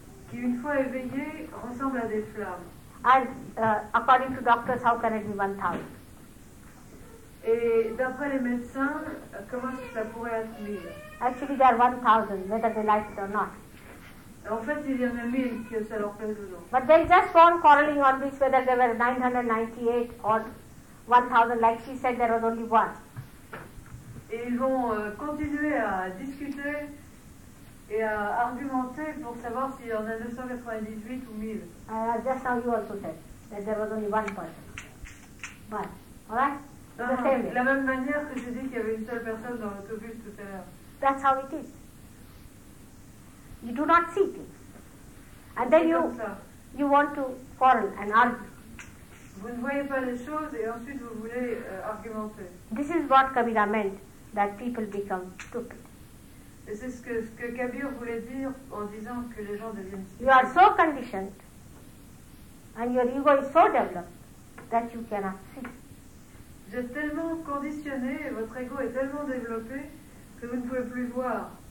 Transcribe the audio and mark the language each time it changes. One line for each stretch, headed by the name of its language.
French: Qui, une fois éveillé, ressemble à des flammes.
English: As according to doctors, how can it be 1,000?
French: Et d'après les médecins, comment ça pourrait être 1,000?
English: Actually, there are 1,000, whether they like it or not.
French: En fait, il y en a 1,000 que ça leur plaît ou non.
English: But they just won't quarreling on this whether there were 998 or 1,000, like she said, there was only one.
French: Et ils vont continuer à discuter et à argumenter pour savoir s'il y en a 998 ou 1,000.
English: Just now you also said that there was only one person.
French: La même manière que j'ai dit qu'il y avait une seule personne dans l'autobus tout à l'heure.
English: That's how it is. You do not see things. And then you want to quarrel and argue.
French: Vous ne voyez pas les choses et ensuite vous voulez argumenter.
English: This is what Kabira meant, that people become stupid.
French: Et c'est ce que Kabir voulait dire en disant que les gens deviennent stupides.
English: You are so conditioned and your ego is so developed that you cannot see.
French: Vous êtes tellement conditionné et votre ego est tellement développé que vous ne pouvez plus voir.